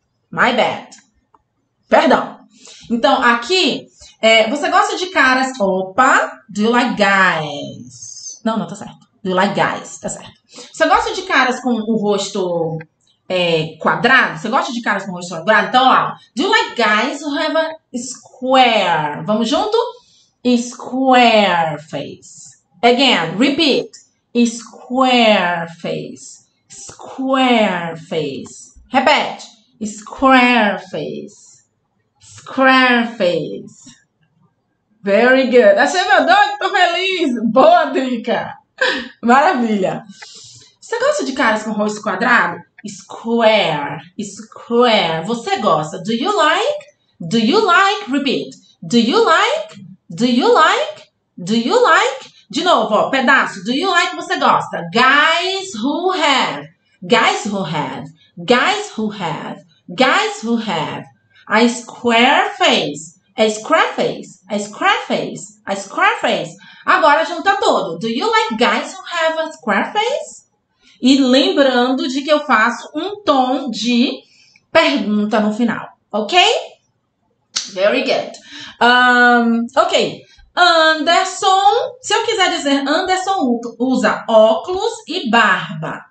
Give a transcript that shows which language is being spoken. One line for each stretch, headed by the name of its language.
English: My bad.
Portuguese: Perdão. Então, aqui, você gosta de caras, opa,
English: do you like guys?
Portuguese: Não, não, tá certo.
English: Do you like guys,
Portuguese: tá certo. Você gosta de caras com o rosto, quadrado? Você gosta de caras com o rosto quadrado? Então, ó,
English: do you like guys who have a square?
Portuguese: Vamos junto?
English: Square face. Again, repeat. Square face. Square face.
Portuguese: Repete.
English: Square face. Square face. Very good.
Portuguese: Achei meu doido, tô feliz. Boa dica. Maravilha. Você gosta de caras com rosto quadrado? Square.
English: Square.
Portuguese: Você gosta?
English: Do you like? Do you like? Repeat. Do you like? Do you like? Do you like?
Portuguese: De novo, ó, pedaço.
English: Do you like?
Portuguese: Você gosta?
English: Guys who have. Guys who have. Guys who have. Guys who have. A square face. A square face. A square face. A square face.
Portuguese: Agora junta todo.
English: Do you like guys who have a square face?
Portuguese: E lembrando de que eu faço um tom de pergunta no final. Ok?
English: Very good.
Portuguese: Ok. Anderson, se eu quiser dizer Anderson usa óculos e barba.